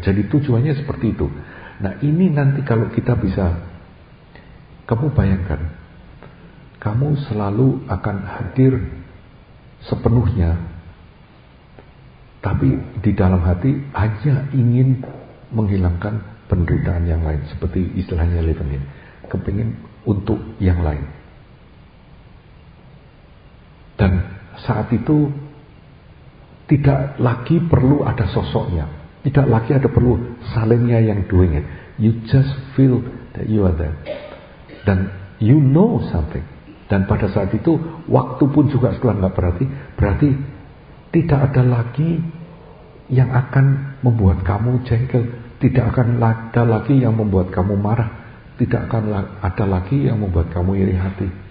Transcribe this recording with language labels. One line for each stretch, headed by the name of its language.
Indonesian: Jadi tujuannya seperti itu. Nah ini nanti kalau kita bisa, kamu bayangkan, kamu selalu akan hadir sepenuhnya, tapi di dalam hati hanya ingin menghilangkan penderitaan yang lain, seperti istilahnya Levin, kepingin untuk yang lain. Dan saat itu tidak lagi perlu ada sosoknya, tidak lagi ada perlu Salimnya yang
English: doing it. You just feel that you are there,
Indonesian: dan
English: you know something.
Indonesian: Dan pada saat itu waktu pun juga sudah nggak berarti. Berarti tidak ada lagi yang akan membuat kamu jengkel, tidak akan ada lagi yang membuat kamu marah, tidak akan ada lagi yang membuat kamu iri hati.